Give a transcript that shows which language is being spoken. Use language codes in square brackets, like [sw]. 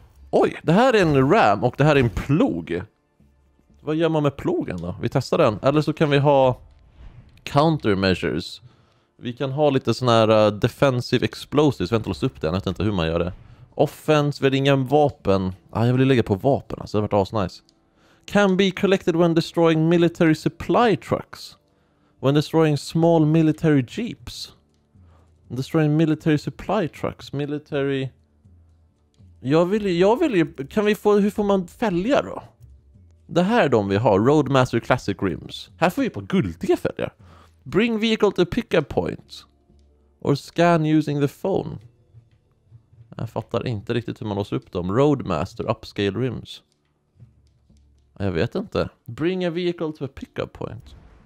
[sv] Oj, det här är en ram och det här är en plog. Vad gör man med plogen då? Vi testar den. Eller så kan vi ha countermeasures. Vi kan ha lite sån här [en] defensive explosives. [sv] Vänta, låsa upp den. Jag vet inte hur man gör det. Offense, vi har inga vapen. Ah, jag vill lägga på vapen. Alltså, det har varit asnice. [en] Can be collected when destroying military supply trucks. When destroying small military jeeps. Destroying military supply trucks. [sv] Military... Jag vill ju... Kan vi få... Hur får man fälgar då? Det här är de vi har. Roadmaster Classic Rims. Här får vi på guldiga fälgar. [en] Bring vehicle to pickup point. Or scan using the phone. [sv] Jag fattar inte riktigt hur man låser upp dem. Roadmaster Upscale Rims. Jag vet inte. [en] Bring a vehicle to a pickup point.